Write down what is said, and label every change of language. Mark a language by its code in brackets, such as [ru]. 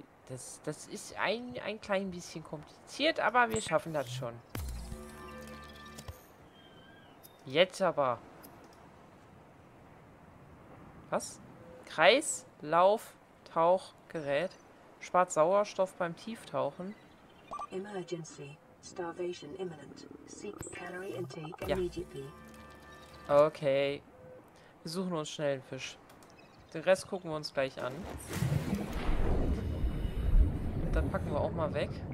[de] Das ist ein klein bisschen kompliziert, aber wir schaffen das schon. Jetzt aber. Was? Kreis, Lauf, Tauch, Gerät. Spart Sauerstoff beim Tieftauchen. [en] Emergency. Starvation imminent. Seek calorie intake immediately. [de] Ja. Okay. Wir suchen uns schnell einen Fisch. Den Rest gucken wir uns gleich an. Dann packen wir auch mal weg.